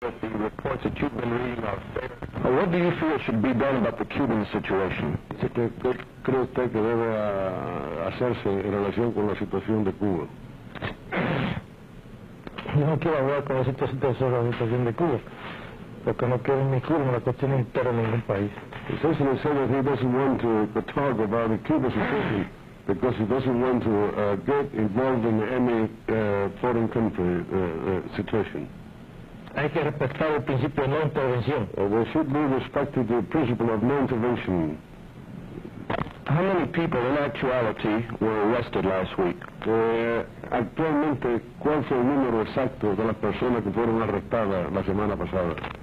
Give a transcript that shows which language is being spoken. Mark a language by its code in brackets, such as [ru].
[en] that the reports that you've been reading are fair. What do you feel should be done about the Cuban situation? [es] ¿Qué cree usted que debe hacerse en relación con la situación de Cuba? Yo no quiero hablar con la situación de Cuba, porque no quiero inmiscuirme en la cuestión interna de ningún país. [en] It's also said that he doesn't want to talk about the Cuban situation because he doesn't want to get involved in any foreign country situation. [es] Hay que respetar el principio de no intervención. [en] We should be respecting the principle of no intervention. How many people in actuality were arrested last week? [es] Actualmente, ¿cuál fue el número exacto de las personas que fueron arrestadas la semana pasada?